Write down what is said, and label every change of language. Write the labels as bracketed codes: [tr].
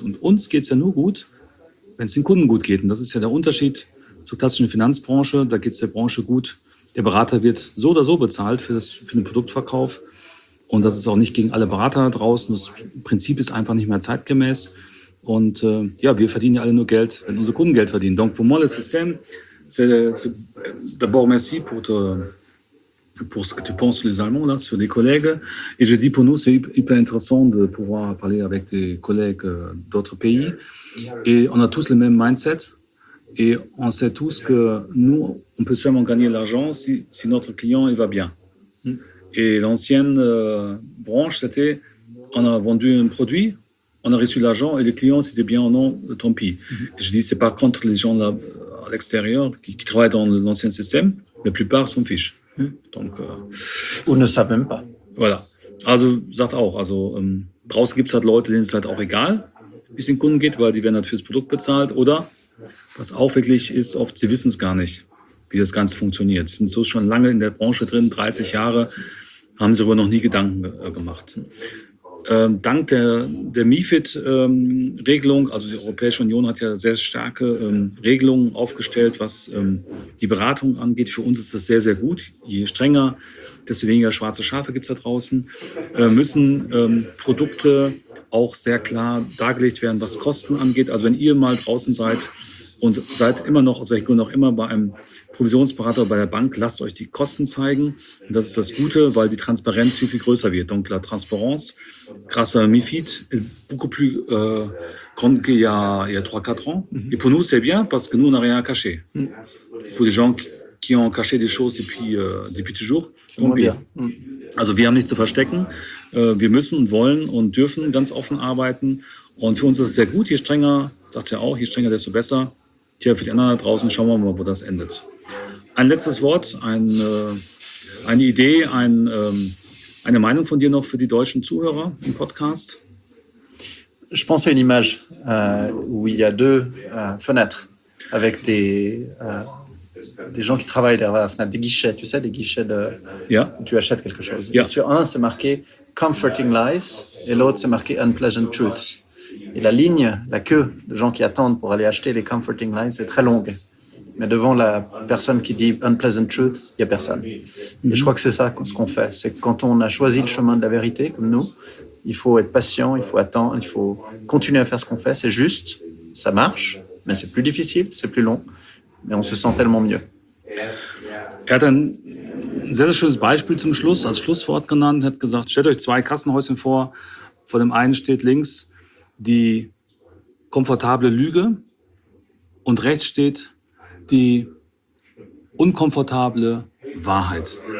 [de] Und uns geht es ja nur gut, wenn es den Kunden gut geht. Und das ist ja der Unterschied zur klassischen Finanzbranche. Da geht es der Branche gut. Der Berater wird so oder so bezahlt für den Produktverkauf. Und das ist auch nicht gegen alle Berater da draußen. Das Prinzip ist einfach nicht mehr zeitgemäß. Und ja, wir verdienen ja alle nur Geld, wenn unsere Kunden Geld verdienen. [fr] Donc, pour moi, le système, c'est d'abord merci pour ce que tu penses sur les Allemands, là, sur les collègues. Et je dis, pour nous, c'est hyper intéressant de pouvoir parler avec des collègues d'autres pays. Et on a tous le même mindset. Et on sait tous que nous, on peut seulement gagner l'argent si notre client, il va bien. Et l'ancienne branche, c'était, on a vendu un produit, on a reçu l'argent et le client, c'était bien ou non, tant pis. Mm-hmm. Je dis, c'est pas contre les gens là, à l'extérieur qui travaillent dans l'ancien système, la plupart s'en fichent. Mm-hmm. Donc, ou ne savent même pas. Voilà. [de] Also, sagt auch, also, draußen gibt es halt Leute, denen es halt auch egal, wie es den Kunden geht, weil die werden halt fürs Produkt bezahlt. Oder, was auch wirklich ist, oft, sie wissen es gar nicht, wie das Ganze funktioniert. Sie sind so schon lange in der Branche drin, 30 Jahre, haben sie aber noch nie Gedanken gemacht. Dank der MiFID-Regelung, also die Europäische Union hat ja sehr starke Regelungen aufgestellt, was die Beratung angeht. Für uns ist das sehr, sehr gut. Je strenger, desto weniger schwarze Schafe gibt es da draußen. Müssen Produkte auch sehr klar dargelegt werden, was Kosten angeht. Also wenn ihr mal draußen seid und seid immer noch, aus welchem Grund auch immer, bei einem Provisionsberater bei der Bank, lasst euch die Kosten zeigen. Und das ist das Gute, weil die Transparenz viel, viel größer wird. [fr] Donc la transparence, grâce à MiFID, est beaucoup plus grande qu'il y a 3-4 ans. Et pour nous, c'est bien, parce que nous, on n'a rien à cacher. Pour les gens qui ont caché des choses depuis toujours, c'est moins bien. [de] Also wir haben nichts zu verstecken. Wir müssen, wollen und dürfen ganz offen arbeiten. Und für uns ist es sehr gut, je strenger, sagt er auch, je strenger, desto besser. Tja, für die anderen da draußen schauen wir mal, wo das endet. Ein letztes Wort, eine Idee, eine Meinung von dir noch für die deutschen Zuhörer im Podcast? [fr] Je pense à une image où il y a deux fenêtres avec des des gens qui travaillent derrière la fenêtre, des guichets, tu sais, des guichets de, où tu achètes quelque chose. Yeah. Et sur un, c'est marqué « [en] comforting lies [fr] » et l'autre, c'est marqué « [en] unpleasant truths ». [fr] Et la ligne, la queue de gens qui attendent pour aller acheter les « [en] comforting lies [fr] » est très longue. Mais devant la personne qui dit « [en] unpleasant truths [fr] », il n'y a personne. Mm-hmm. Et je crois que c'est ça ce qu'on fait. C'est quand on a choisi le chemin de la vérité, comme nous, il faut être patient, il faut attendre, il faut continuer à faire ce qu'on fait. C'est juste, ça marche, mais c'est plus difficile, c'est plus long. Mais on se sent tellement mieux. [de] Er hat ein sehr, sehr schönes Beispiel zum Schluss, als Schlusswort genannt, hat gesagt, stellt euch zwei Kassenhäuschen vor. Vor dem einen steht links die komfortable Lüge und rechts steht die unkomfortable Wahrheit.